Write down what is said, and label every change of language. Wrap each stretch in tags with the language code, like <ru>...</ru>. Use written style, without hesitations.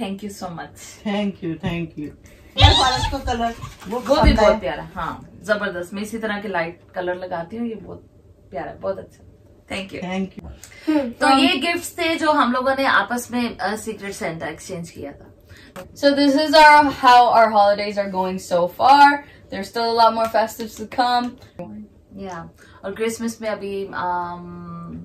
<en>Thank you so much. Thank you. Thank you.</en> <hi>मैं फारस का कलर वो भी बहुत प्यारा. हाँ, जबरदस्त. मैं इसी तरह के लाइट कलर लगाती हूँ. ये बहुत प्यारा, बहुत अच्छा.</hi> <en>Thank you. Thank you.</en> <hi>तो ये गिफ्ट थे जो हम लोगों ने आपस में सीक्रेट सेंटा एक्सचेंज किया था.</hi> <en>So this is our how our holidays are going so far. There's still a lot more festivities to come. Yeah.</en> <hi>और क्रिसमस में अभी एक वीक है और उसे एक वीक में बहुत कुछ होने वाला है.</hi>